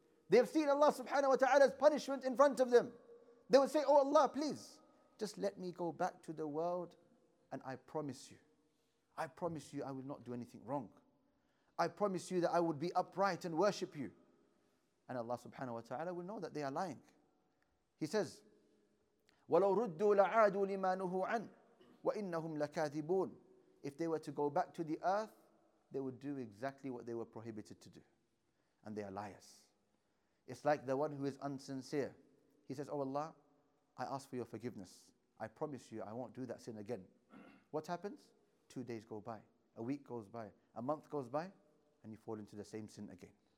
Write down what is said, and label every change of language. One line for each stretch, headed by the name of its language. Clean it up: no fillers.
English: They have seen Allah subhanahu wa ta'ala's punishment in front of them. They would say, oh Allah, please, just let me go back to the world and I promise you I will not do anything wrong. I promise you that I would be upright and worship you. And Allah subhanahu wa ta'ala will know that they are lying. He says,
Arabic: وَلَوْ رُدُّوا لَعَادُوا لِمَا نُهُوا عَنْ وَإِنَّهُمْ لَكَاذِبُونَ.
English: If they were to go back to the earth, they would do exactly what they were prohibited to do. And they are liars. It's like the one who is unsincere. He says, oh Allah, I ask for your forgiveness. I promise you I won't do that sin again. What happens? 2 days go by, a week goes by, a month goes by, and you fall into the same sin again.